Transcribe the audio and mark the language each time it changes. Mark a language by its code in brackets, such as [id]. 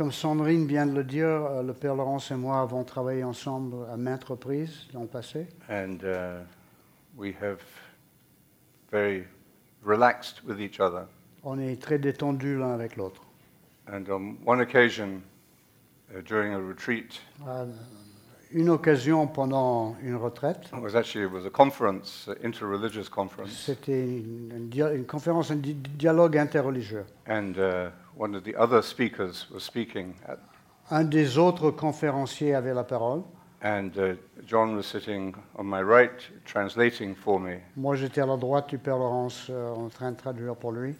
[fr] Comme Sandrine vient de le dire, le père Laurence et moi avons travaillé ensemble à maintes reprises dans le passé. [en] And we have very relaxed with each other. [fr] On est très détendu l'un avec l'autre. [en] And on one occasion, during a retreat. [fr] Une occasion pendant une retraite. [en] It was a conference, an interreligious conference. [fr] C'était une conférence, un dialogue interreligieux. [en] And one of the other speakers was speaking. [fr] Un des autres conférenciers avait la parole. [en] And John was sitting on my right, translating for me. [fr] Moi, j'étais à la droite du père Laurence, en train de traduire pour lui.